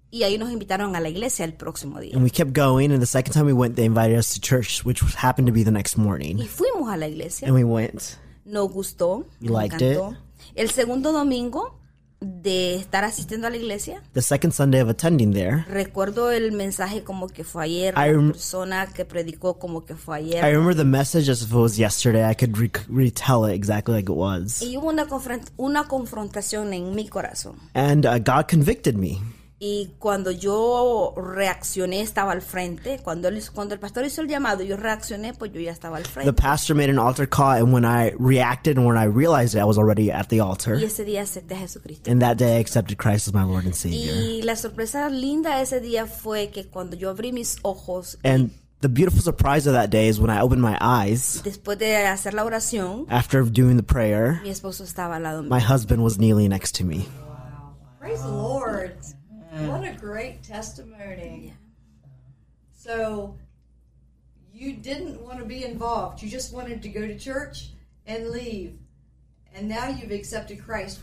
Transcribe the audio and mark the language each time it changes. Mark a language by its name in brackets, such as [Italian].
[Spanish] Y ahí nos invitaron a la iglesia el próximo día. [English] And we kept going. And the second time we went, they invited us to church, which happened to be the next morning. [Spanish] Y fuimos a la iglesia. [English] And we went. [Spanish] Nos gustó. [English] We liked it. [Spanish] El segundo domingo. de estar asistiendo a la iglesia. [English] The second Sunday of attending there. [Spanish] Recuerdo el mensaje como que fue ayer. Persona que predicó como que fue ayer. [English] I remember the message as if it was yesterday. I could retell it exactly like it was. [Spanish] Y hubo una confrontación en mi corazón. [English] And God convicted me. [Spanish] Y cuando yo reaccioné, estaba al frente. Cuando el pastor hizo el llamado, yo reaccioné, pues yo ya estaba al frente. [English] The pastor made an altar call, and when I reacted and when I realized it, I was already at the altar. [Spanish] Y ese día acepté a Jesucristo. [English] And that day I accepted Christ as my Lord and Savior. [Spanish] Y la sorpresa linda ese día fue que cuando yo abrí mis ojos. [English] And the beautiful surprise of that day is when I opened my eyes. [Spanish] Después de hacer la oración. [English] After doing the prayer. [Spanish] Mi esposo estaba al lado mío. [English] My husband was kneeling next to me. Wow. Praise the Lord. What a great testimony. Yeah. So, you didn't want to be involved. You just wanted to go to church and leave. And now you've accepted Christ.